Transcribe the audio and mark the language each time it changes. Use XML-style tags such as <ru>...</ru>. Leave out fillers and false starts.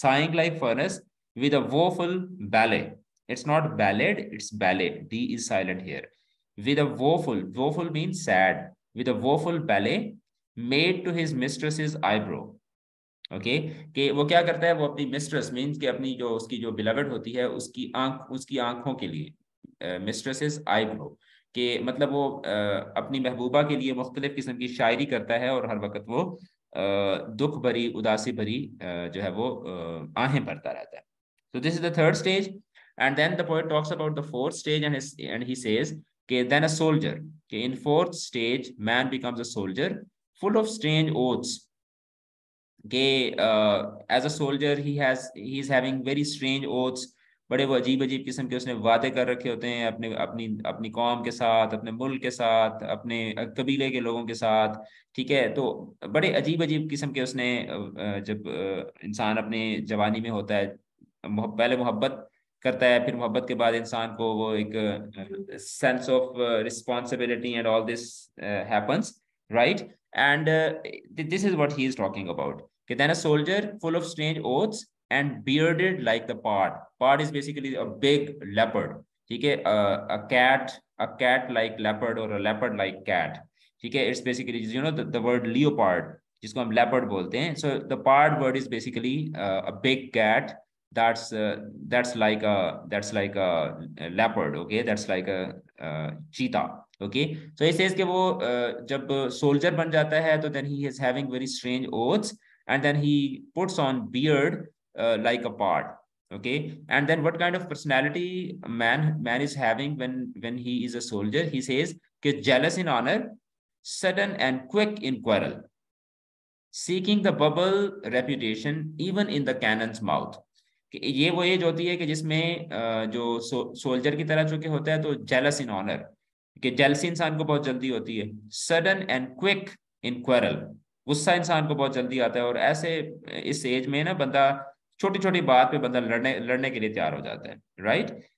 <en>Sighing like furnace with a woeful ballet. It's not ballad, it's ballet. D is silent here. With a woeful means sad. With a woeful ballet made to his mistress's eyebrow.</en> <ur>Okay, کہ وہ کیا کرتا ہے وہ اپنی mistress means کہ اپنی جو اس کی جو بلوڈ ہوتی ہے اس کی آنکھوں کے لیے مسٹریس آئی برو کہ مطلب وہ اپنی محبوبہ کے لیے مختلف قسم کی شاعری کرتا ہے اور ہر وقت وہ دکھ بھری اداسی بھری جو ہے وہ آہیں بھرتا رہتا ہے.</ur> <en>so this is the third stage and then the poet talks about the fourth stage and he says کہ then a soldier کہ in fourth stage man becomes a soldier full of strange oaths</en> <ur>کہ as a soldier he is having very strange اوتھس بڑے وہ عجیب قسم کے اس نے وعدے کر رکھے ہوتے ہیں اپنے اپنی اپنی قوم کے ساتھ اپنے ملک کے ساتھ اپنے قبیلے کے لوگوں کے ساتھ ٹھیک ہے تو بڑے عجیب قسم کے اس نے جب انسان اپنے جوانی میں ہوتا ہے پہلے محبت کرتا ہے پھر محبت کے بعد انسان کو وہ ایک sense of responsibility and all this happens right and this is what he is talking about.</ur> <en>Okay, then a soldier full of strange oaths and bearded like the pard. Pard is basically a big leopard, okay, a cat like leopard or a leopard like cat, okay, it's basically, you know, the word leopard jisko hum leopard bolte hain. So the pard word is basically a big cat that's like a leopard, okay, that's like a cheetah. Okay, so he says ke wo jab soldier ban jata hai to then he is having very strange oaths and then he puts on beard like a pard. Okay, and then what kind of personality man is having when he is a soldier? He says ke jealous in honor, sudden and quick in quarrel, seeking the bubble reputation even in the cannon's mouth.</en> <ur>Ye wo age hoti hai ke jisme jo soldier ki tarah chuke hota hai to jealous in honor کہ jealousy انسان کو بہت جلدی ہوتی ہے sudden and quick ان کوئرل غصہ انسان کو بہت جلدی آتا ہے اور ایسے اس ایج میں نا بندہ چھوٹی چھوٹی بات پہ بندہ لڑنے کے لیے تیار ہو جاتا ہے رائٹ</ur>